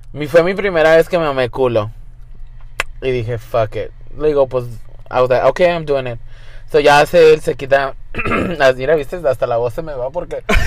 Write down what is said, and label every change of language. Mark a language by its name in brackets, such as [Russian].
[Spanish] Fue mi primera vez que me mamé culo. [English] Y dije, fuck it. [Spanish] Le digo, pues, [English] I was like, okay, I'm doing it. [Spanish] So ya hace él, se quita. Mira, viste, hasta la voz se me va porque.